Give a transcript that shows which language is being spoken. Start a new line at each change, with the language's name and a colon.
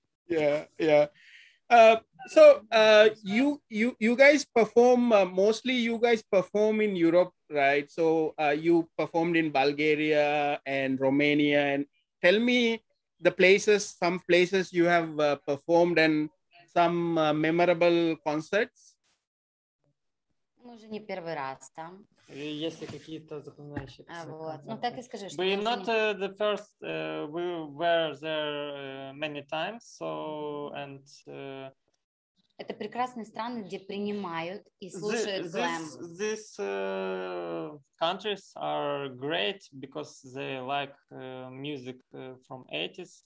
English: Yeah, yeah. So you guys perform mostly. You guys perform in Europe, right? So you performed in Bulgaria and Romania. And tell me the places, some places you have performed and some memorable concerts.
Russian: Мы уже не первый раз там. Если какие-то запоминающие. А вот. Ну так и скажи, что.
English: We are not the first. We were there many times. So and.
Russian: Это прекрасные страны, где принимают и слушают glam.
English: These countries are great because they like music from 80s.